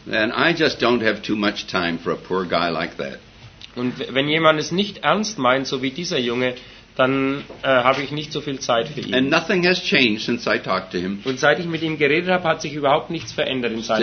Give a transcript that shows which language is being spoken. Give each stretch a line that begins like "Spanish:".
English: And I just don't have too much time for a poor guy like that.
German: Und wenn jemand es nicht ernst meint, so wie dieser Junge, dann habe ich nicht so viel Zeit für ihn.
English: And nothing has changed since I talked to him.
German: Und seit ich mit ihm geredet habe, hat sich überhaupt nichts verändert in seinem